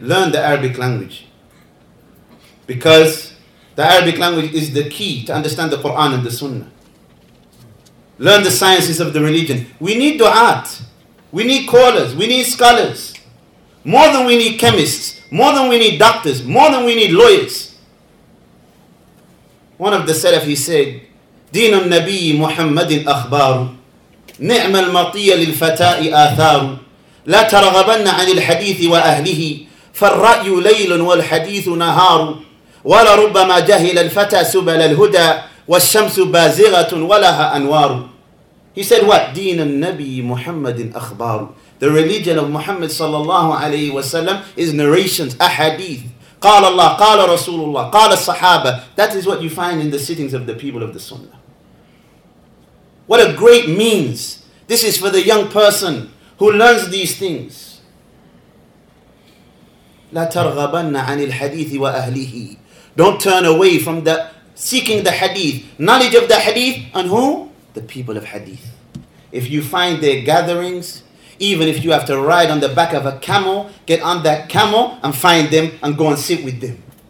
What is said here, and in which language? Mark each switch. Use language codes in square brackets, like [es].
[en] Learn the Arabic language. Because the Arabic language is the key to understand the Quran and the Sunnah. Learn the sciences of the religion. We need du'at. We need callers. We need scholars. More than we need chemists. more than we need doctors, more than we need lawyers. One of the Salaf, he said, [ar] دين النبي محمد أخبار نعم المطية للفتاء آثار لا ترغبن عن الحديث وأهله فالرأي ليل والحديث نهار ولا ربما جهل الفتى سبل الهدى والشمس بازغة ولها أنوار. [en] He said what? [ar] دين النبي محمد أخبار. [en] The religion of Muhammad sallallahu alayhi wa sallam is narrations, ahadith. [ar] قال الله قال رسول الله قال الصحابة. [en] That is what you find in the sittings of the people of the Sunnah. What a great means. This is for the young person who learns these things. [ar] لا ترغبن عن الحديث وأهله. [en] Don't turn away from the seeking the hadith, knowledge of the hadith, and who? The people of hadith. If you find their gatherings, even if you have to ride on the back of a camel, get on that camel and find them and go and sit with them.